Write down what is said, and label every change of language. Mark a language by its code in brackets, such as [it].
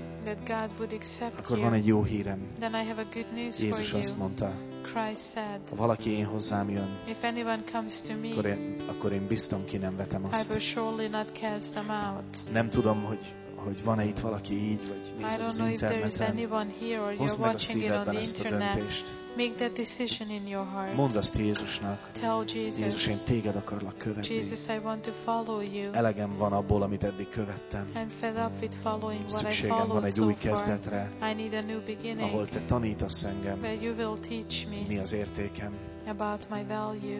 [en] that God would accept [hu] akkor [en] you. [hu] Van egy jó hírem. [en] Then I have a good news [hu] Jézus [en] for you. [hu] Azt mondta, [en] Christ said, [hu] ha valaki én hozzám jön, [en] if anyone comes to me, [hu] akkor én biztom ki nem vetem azt. [en] I will surely not cast them out. [hu] Nem tudom, hogy van-e itt valaki így, vagy néz az interneten. [en] I don't know if there is anyone here or you're watching it on the internet. Make that decision in your heart. [hu] Mondd azt Jézusnak. [en] Tell Jesus. [hu] Jézus, én téged akarlak követni. [en] Jesus, I want to follow you. [hu] Elegem van abból, amit eddig követtem. [en] I'm fed up with following what I followed so far. [hu] Szükségem van egy új kezdetre. [en] I need a new beginning. [hu] Ahol te tanítasz engem. [en] Where you will teach me. [hu] Mi az értékem. [en] About my value.